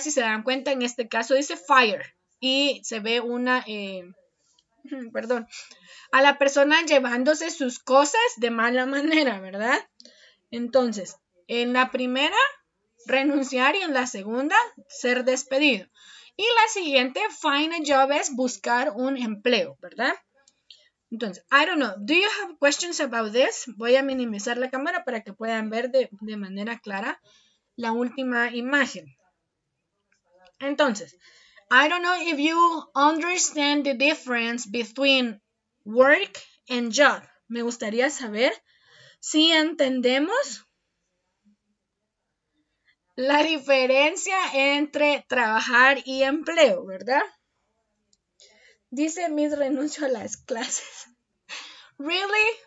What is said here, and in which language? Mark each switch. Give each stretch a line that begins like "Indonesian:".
Spanish: Si se dan cuenta, en este caso dice fire y se ve una, perdón, a la persona llevándose sus cosas de mala manera, ¿verdad? Entonces, en la primera, renunciar y en la segunda, ser despedido. Y la siguiente,
English: find a job,
Spanish: es buscar un empleo, ¿verdad?
English: Entonces, I don't know, do you have questions about this?
Spanish: Voy a minimizar la cámara para que puedan ver de manera clara la última imagen.
English: Entonces, I don't know if you understand the difference between work and job.
Spanish: Me gustaría saber si entendemos la diferencia entre trabajar y empleo, ¿verdad? Dice Miss, renuncio a las clases. Really?